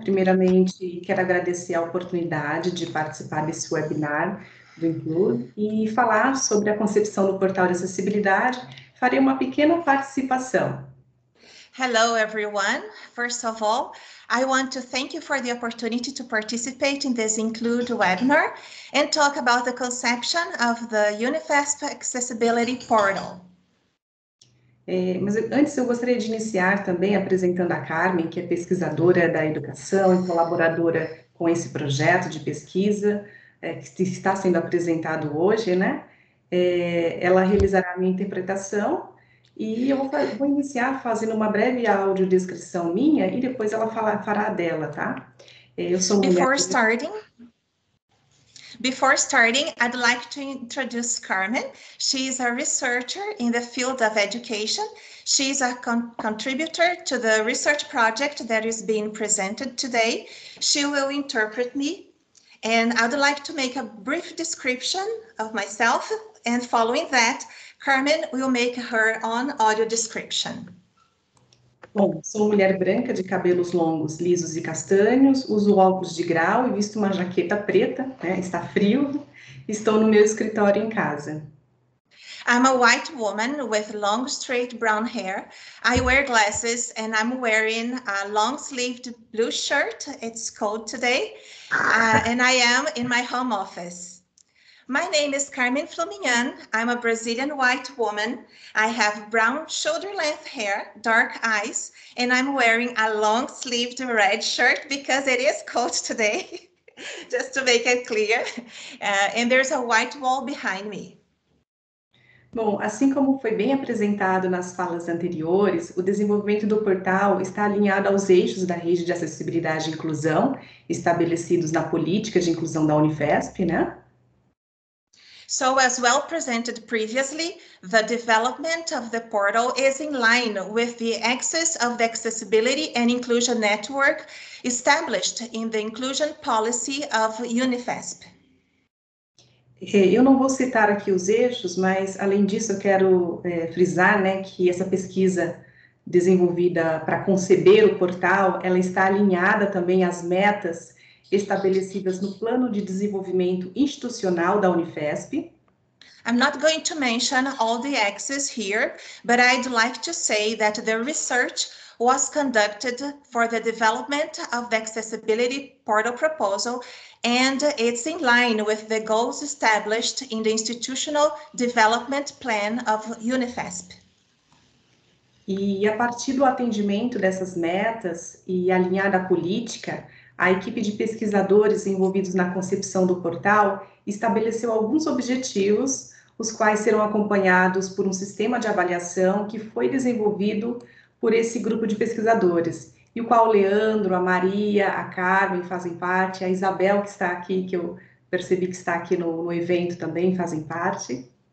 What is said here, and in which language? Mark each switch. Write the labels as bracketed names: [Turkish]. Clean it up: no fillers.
[Portuguese] Primeiramente, quero agradecer a oportunidade de participar desse webinar do Include e falar sobre a concepção do portal de acessibilidade. Farei uma pequena participação. [English] Hello, everyone. First of all, I want to thank you for the opportunity to participate in this Include webinar and talk about the conception of the UNIFESP Accessibility Portal. [Portuguese] Mas antes eu gostaria de iniciar também apresentando a Carmen, que é pesquisadora da educação e colaboradora com esse projeto de pesquisa que está sendo apresentado hoje, né? Ela realizará a minha interpretação e eu vou iniciar fazendo uma breve audiodescrição minha e depois ela fará dela, tá? Eu sou mulher... [English] Before starting, I'd like to introduce Carmen. She is a researcher in the field of education. She is a contributor to the research project that is being presented today. She will interpret me, and I'd like to make a brief description of myself, and following that, Carmen will make her own audio description. [Portuguese] Bom, sou mulher branca de cabelos longos, lisos e castanhos, uso óculos de grau e visto uma jaqueta preta, né? Está frio, estou no meu escritório em casa. [English] I'm a white woman with long straight brown hair. I wear glasses and I'm wearing a long-sleeved blue shirt. It's cold today. And I am in my home office. My name is Carmen Flumignan. I'm a Brazilian white woman. I have brown shoulder-length hair, dark eyes, and I'm wearing a long-sleeved red shirt because it is cold today, just to make it clear. And there's a white wall behind me. [Portuguese] Bom, assim como foi bem apresentado nas falas anteriores, o desenvolvimento do portal está alinhado aos eixos da rede de acessibilidade e inclusão estabelecidos na política de inclusão da UNIFESP, né? [English] So, as well presented previously, the development of the portal is in line with the axis of the accessibility and inclusion network established in the inclusion policy of UNIFESP. [Portuguese] Eu não vou citar aqui os eixos, mas além disso eu quero frisar, né, que essa pesquisa desenvolvida para conceber o portal, ela está alinhada também às metas estabelecidas no plano de desenvolvimento institucional da UNIFESP. [English] I'm not going to mention all the axes here, but I'd like to say that the research was conducted for the development of the accessibility portal proposal, and it's in line with the goals established in the institutional development plan of UNIFESP. [Portuguese] E a partir do atendimento dessas metas e alinhada à política, a equipe de pesquisadores envolvidos na concepção do portal estabeleceu alguns objetivos, os quais serão acompanhados por um sistema de avaliação que foi desenvolvido por esse grupo de pesquisadores, e o qual o Leandro, a Maria, a Carmen fazem parte, a Isabel, que está aqui, que eu percebi que está aqui no evento também, fazem parte.